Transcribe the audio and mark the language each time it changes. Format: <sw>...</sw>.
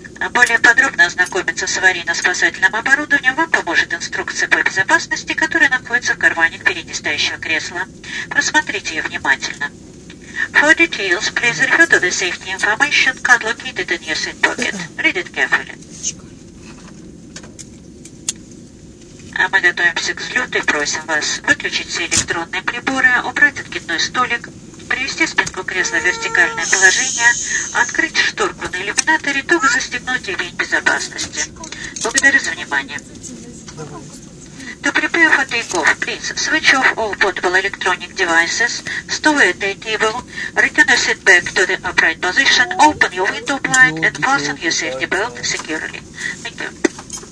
<ru>Более подробно ознакомиться с аварийно-спасательным оборудованием вам поможет инструкция по безопасности, которая находится в кармане впереди стоящего кресла. Просмотрите ее внимательно.</ru> <en>For details, please refer to the safety information card located in your seat pocket. Read it carefully.</en> <ru>А мы готовимся к взлету и просим вас выключить все электронные приборы, убрать откидной столик, привести спинку кресла в вертикальное положение, открыть шторку на иллюминаторе, туго застегнуть ремень безопасности. Благодарю за внимание.</ru> <en>To prepare for takeoff, please switch off all portable electronic devices, stow at the table, return your seat back to the upright position, open your window blind and fasten your safety belt securely. Thank you.</en>